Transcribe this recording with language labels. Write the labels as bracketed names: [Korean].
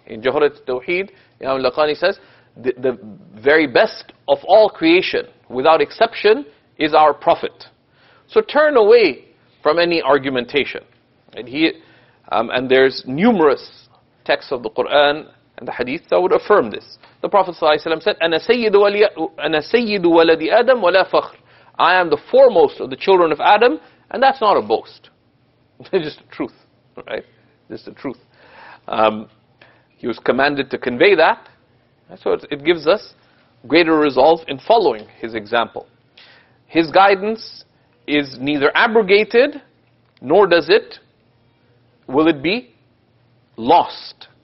[English] In Jawharat Tawheed, Imam Al-Laqani says, the very best of all creation, without exception, is our Prophet. So turn away from any argumentation. And and there's numerous texts of the Qur'an and the Hadith that would affirm this. The Prophet ﷺ said, [Arabic] أَنَا سَيِّدُ وَلَدِ آدَمْ وَلَا فَخْرٍ. [English] I am the foremost of the children of Adam, and that's not a boast. It's just the truth, right? This is the truth. He was commanded to convey that. So it gives us greater resolve in following his example. His guidance is neither abrogated, nor does it, will it be lost.